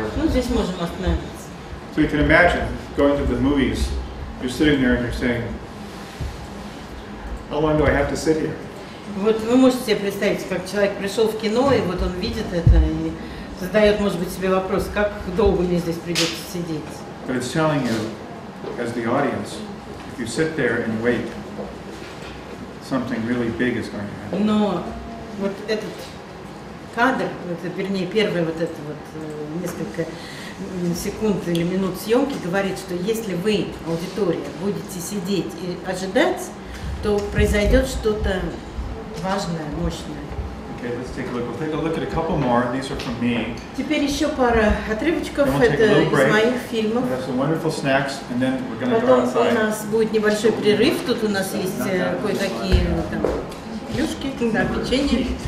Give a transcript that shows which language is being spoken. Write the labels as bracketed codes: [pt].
[en] So you can imagine going to the movies, you're sitting there and you're saying, how long do I have to sit here? [ru] Вот вы можете себе представить, как человек пришел в кино, и вот он видит это и задает, может быть, себе вопрос, как долго мне здесь придется сидеть? [en] But it's telling you, as the audience, if you sit there and wait, something really big is going to happen. [ru] Но вот этот кадр, это, вернее, первое вот это вот несколько секунд или минут съемки говорит, что если вы, аудитория, будете сидеть и ожидать, то произойдет что-то важное, мощное. [en] Okay, let's take a look. We'll take a look at a couple more. These are from me. [ru] Теперь еще пара отрывочков. Это из моих фильмов. [en] We have some wonderful snacks, and then we're going to go outside. [ru] Потом у нас будет небольшой перерыв. Тут у нас есть кое-какие там плюшки, да, печенье.